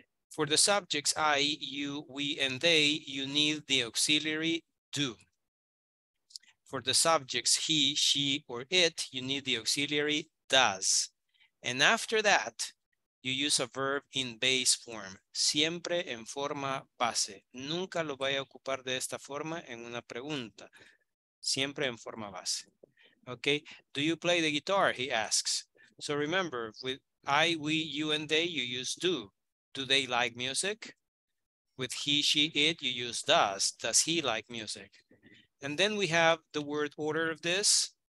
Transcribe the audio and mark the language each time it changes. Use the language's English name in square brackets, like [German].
[English] For the subjects I, you, we, and they, you need the auxiliary do. For the subjects he, she, or it, you need the auxiliary does. And after that, you use a verb in base form. [Spanish] Siempre en forma base. Nunca lo vaya a ocupar de esta forma en una pregunta. Siempre en forma base. [English] Okay, do you play the guitar? He asks. So remember, with I, we, you, and they, you use do. Do they like music? With he, she, it, you use does. Does he like music? And then we have the word order of this.